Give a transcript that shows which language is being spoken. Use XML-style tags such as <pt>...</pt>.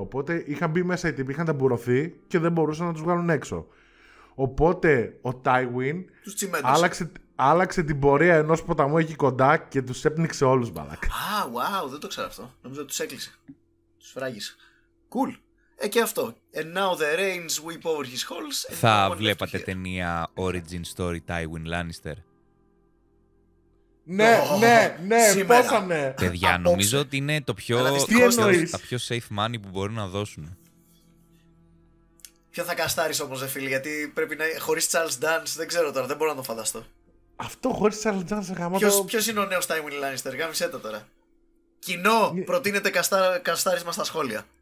<el>Οπότε είχαν μπει μέσα οι τύποι, είχαν ταμπουρωθεί και δεν μπορούσαν να τους βγάλουν έξω. Οπότε ο Tywin άλλαξε την πορεία ενός ποταμού εκεί κοντά και τους έπνιξε όλους, μπαλάκ. Α, wow, δεν το ξέρω αυτό. Νομίζω ότι τους έκλεισε. Τους φράγησε. Cool. Και αυτό.</el> <en>And now the reins weep over his halls.</en> <el>Θα βλέπατε ταινία Origin Story Tywin Lannister. Ναι, ναι, πέσαμε. Παιδιά, νομίζω ότι είναι το πιο, τα πιο</el> <en>safe money</en> <el>που μπορούν να δώσουν. Ποιο θα καστάρεις όμως, δε φίλε, γιατί πρέπει να είναι χωρίς Charles Dance, δεν ξέρω τώρα, δεν μπορώ να το φανταστώ. Αυτό χωρίς Charles Dance, γαμώ το... Ποιος είναι ο νέος Tywin Lannister, γάμισέ το τώρα. Κοινό, προτείνεται καστάρισμα στα σχόλια.</el>